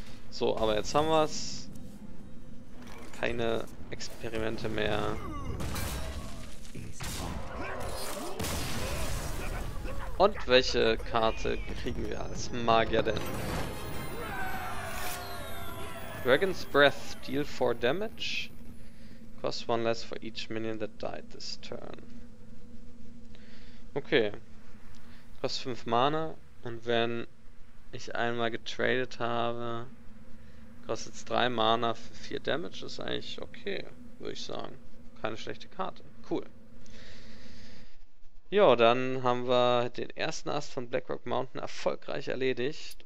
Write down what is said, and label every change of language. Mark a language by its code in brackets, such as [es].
[de] So, aber jetzt haben wir es. Keine Experimente mehr. Und welche Karte kriegen wir als Magier denn? [en] Dragon's Breath, deal 4 damage. Cost 1 less for each minion that died this turn. [de] Okay. Kostet 5 Mana. Und wenn ich einmal getradet habe, kostet es 3 Mana für 4 Damage. Das ist eigentlich okay, würde ich sagen. Keine schlechte Karte. Cool. Ja, dann haben wir den ersten Ast von Blackrock Mountain erfolgreich erledigt.